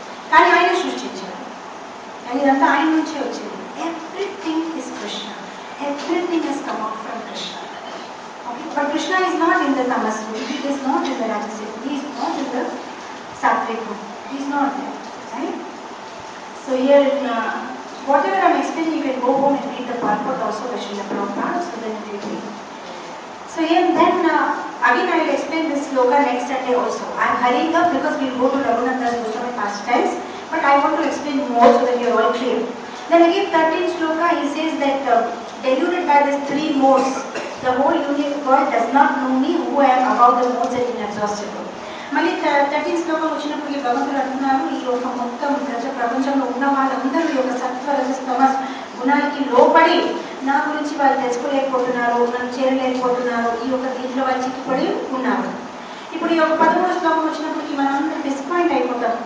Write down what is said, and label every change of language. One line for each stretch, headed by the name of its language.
Telugu: కానీ ఆయన సృష్టించారు, ఇదంతా ఆయన నుంచే వచ్చింది.
English: Everything is Krishna, everything is come out from Krishna. Okay, but Krishna is not in the tamas, it is not in the rajas, it is not in the sattvic, it is not there, right? So here whatever I'm explaining, you can go home and read the purport also by Srila Prabhupada, so then you will read. So yeah, then again I will explain this sloka next Sunday also. I'm hurrying up because we'll go to Raghunandhas Goswami pastimes, but I want to explain more so that you're all clear. Then again 13th sloka, he says that deluded by these three modes, the whole unique God does not know me, who I am above the modes and inexhaustible.
Telugu: మళ్ళీ 13th శ్లోకం వచ్చినప్పుడు ఈ భగవంతులు అంటున్నారు, ఈ లోకం మొత్తం ప్రజ ప్రపంచంలో ఉన్న వాళ్ళందరూ యొక్క సత్వ రజస్ తమస్ గుణానికి లోపడి నా గురించి వాళ్ళు తెలుసుకోలేకపోతున్నారు, నన్ను చేరలేకపోతున్నారు, ఈ యొక్క దీంట్లో వాళ్ళు చిక్కుపడి ఉన్నారు. ఇప్పుడు ఈ యొక్క 13th శ్లోకం వచ్చినప్పటికీ మనందరూ డిసప్పాయింట్ అయిపోతాం.